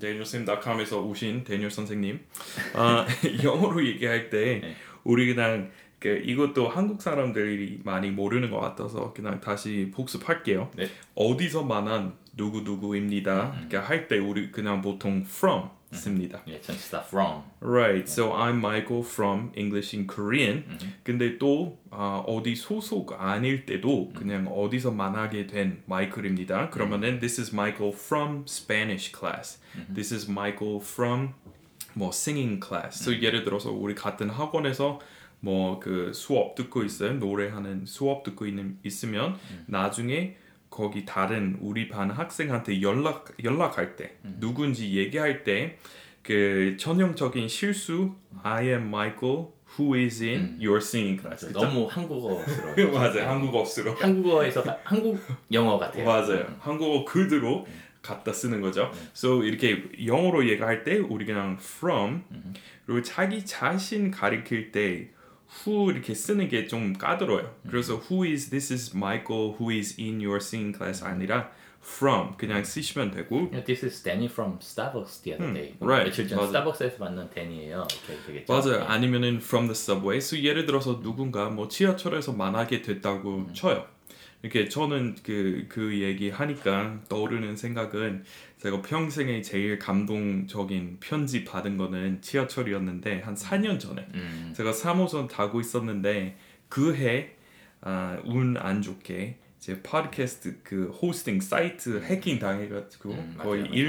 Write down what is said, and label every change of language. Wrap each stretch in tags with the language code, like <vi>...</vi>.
<ko>DanielSim.com에서 오신 Daniel 선생님. 영어로 얘기할 때 우리 그냥 그 이것도 한국 사람들이 많이 모르는 것 같아서 그냥 다시 복습할게요. 네. 어디서 만난 누구 누구입니다. 이렇게 할 때 우리 그냥 보통 from. 씁니다. 예, 전치사 from.</ko> <en>Right, so I'm Michael from English in Korean.</en> <ko>근데 또 어디 소속 아닐 때도 그냥 어디서 만나게 된 마이클입니다.</ko> <en>그러면은 this is Michael from Spanish class. This is Michael from 뭐 singing class.</en> <ko>So 예를 들어서 우리 같은 학원에서 뭐 그 수업 듣고 있어요. 노래하는 수업 듣고 있으면 나중에 거기 다른 우리 반 학생한테 연락할 때 누군지 얘기할 때 그 전형적인 실수 I am Michael who is in your singing class. 그쵸? 너무 한국어스러워. 맞아요. 한국어스러워. 한국어에서 한국 영어 같아요. 맞아요. 한국어 그대로 갖다 쓰는 거죠. So 이렇게 영어로 얘기할 때 우리 그냥 from 그리고 자기 자신 가리킬 때 who 이렇게 쓰는 게 좀 까다로워요. 그래서 who is this is Michael who is in your singing class 아니라 from 그냥 쓰시면 되고</ko> <en>yeah, this is Danny from Starbucks the other day. Right.</en> <ko>며칠 전 Starbucks에서 만난 Danny예요. 오케이, 맞아요. 네. 아니면은 from the subway. So 예를 들어서 누군가 뭐 지하철에서 만나게 됐다고 쳐요. 이렇게 저는 그 얘기 하니까 떠오르는 생각은 제가 평생에 제일 감동적인 편지 받은 거는 지하철이었는데 한 4년 전에 제가 3호선 타고 있었는데 그해 운 안 좋게 제 팟캐스트 그 호스팅 사이트 해킹 당해가지고 거의 맞아요, 맞아요.</ko>